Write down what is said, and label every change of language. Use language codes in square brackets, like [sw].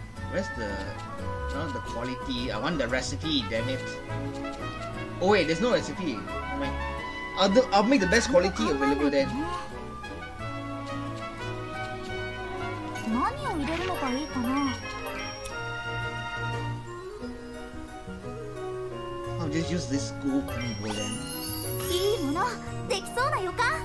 [en] Where's the not the quality? I want the recipe, damn it. Oh wait, there's no recipe. I'll make the best quality available then. [ja] 何を入れるのがいいかな。 [en] I'll just use this gold pony then. [ja] いいもの、できそうな予感。